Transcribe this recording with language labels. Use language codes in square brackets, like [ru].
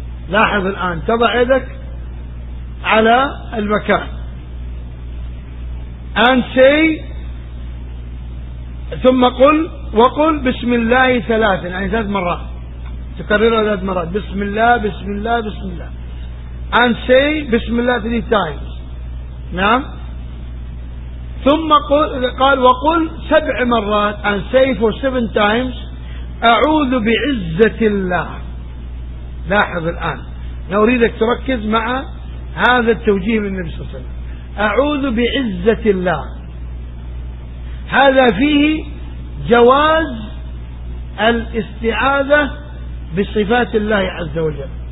[ar] لاحظ الآن، تضع يدك على المكان [en] and say [ar] ثم قل وقل بسم الله ثلاثا، يعني ثلاث مرات تكررها ثلاث مرات، بسم الله بسم الله بسم الله، [en] and say Bismillah 3 times. [ar] Naam. ثُمَّ قَالْ وَقُلْ سَبْعِ مَرَّاتِ [en] and say for 7 times [ar] أَعُوذُ بِعِزَّةِ اللَّهِ. لاحظ الآن. Now أريد أن تركز مع هذا التوجيه من النبي صلى الله عليه وسلم. أعوذ بعزة الله. هذا فيه جواز الاستعاذة بصفات الله عز وجل.